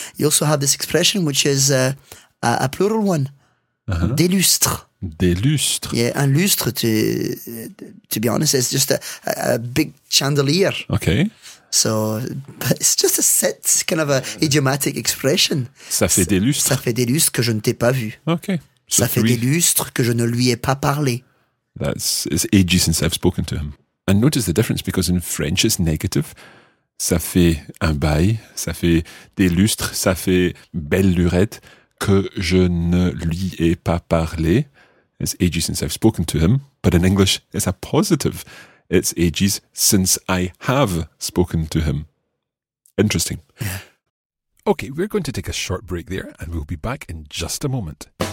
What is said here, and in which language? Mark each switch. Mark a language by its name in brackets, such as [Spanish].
[English] You also have this expression which is a plural one. [French] Uh-huh. Des lustres. Des lustres. [English] Yeah, un lustre, to be honest, it's just a big chandelier. Okay. So, but it's just a set, kind of a idiomatic expression. [French] Ça fait des lustres. Ça fait des lustres que je ne t'ai pas vu. [English] Okay. [French] So ça fait des lustres que je ne lui ai pas parlé. [English] It's ages since I've spoken to him. And notice the difference, because in French it's negative. [French] Ça fait un bail, ça fait des lustres, ça fait belle lurette. Que je ne lui ai pas parlé. [English] It's ages since I've spoken to him. But in English, it's a positive. It's ages since I have spoken to him. Interesting. Yeah. Okay, we're going to take a short break there, and we'll be back in just a moment.